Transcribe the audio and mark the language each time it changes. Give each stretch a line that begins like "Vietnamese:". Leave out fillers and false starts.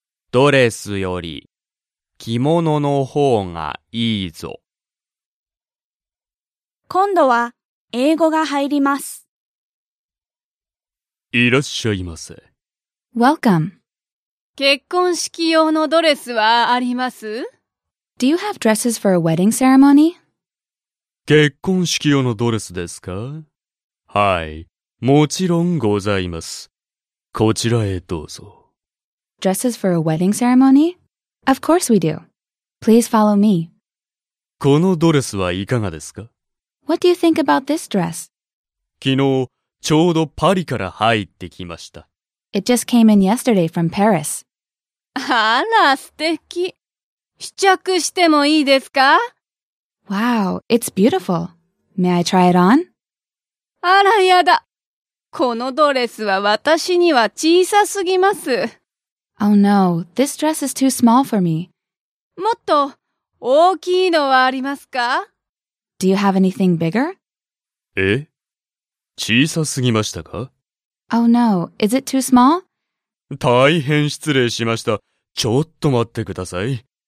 Japanese: ドレスより着物の方がいいぞ。今度は英語が入ります。いらっしゃいませ。
English: Welcome.
Japanese: 結婚式用のドレスはあります?
English: Do you have dresses for a wedding ceremony?
Japanese: 結婚式用のドレスですか?はい、もちろんございます。こちらへどうぞ。
English: Dresses for a wedding ceremony? Of course we do. Please follow me.
Japanese: このドレスはいかがですか?
English: What do you think about this dress?
Japanese: 昨日、ちょうどパリから入ってきました。
English: It just came in yesterday from Paris.
Japanese: あら、素敵。試着してもいいですか?
English: Wow, it's beautiful. May I try it on?
Japanese: あら、やだ。このドレスは私には小さすぎます。
English: Oh no, this dress is too small for me.
Japanese: もっと大きいのはありますか?
English: Do you have anything bigger?
Japanese: え?小さすぎましたか?
English: Oh no, is it too small?
Japanese: 大変失礼しました。ちょっと待ってください。